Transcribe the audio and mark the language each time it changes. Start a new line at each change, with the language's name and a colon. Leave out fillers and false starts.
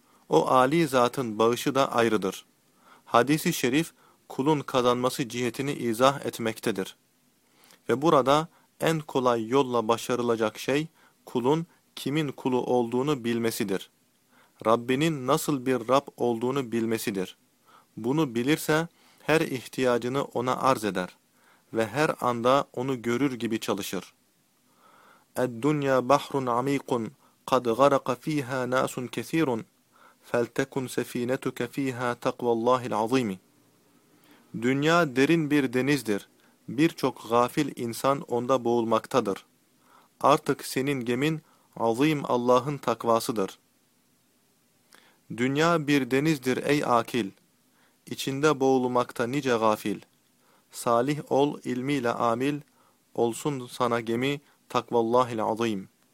Turkish: O âli zatın bağışı da ayrıdır. Hadis-i şerif kulun kazanması cihetini izah etmektedir. Ve burada en kolay yolla başarılacak şey kulun kimin kulu olduğunu bilmesidir. Rabbinin nasıl bir Rab olduğunu bilmesidir. Bunu bilirse her ihtiyacını ona arz eder ve her anda onu görür gibi çalışır.
Arabic: اَدْدُّنْيَا بَحْرٌ عَم۪يقٌ قَدْ غَرَقَ ف۪يهَا نَاسٌ كَث۪يرٌ فَلْتَكُنْ سَف۪ينَتُكَ ف۪يهَا تَقْوَ اللّٰهِ الْعَظ۪يمِ
Turkish: Dünya derin bir denizdir. Birçok gafil insan onda boğulmaktadır. Artık senin gemin azim Allah'ın takvasıdır. Dünya bir denizdir ey akil. İçinde boğulmakta nice gafil. Salih ol ilmiyle amil. Olsun sana gemi takvallahil azim.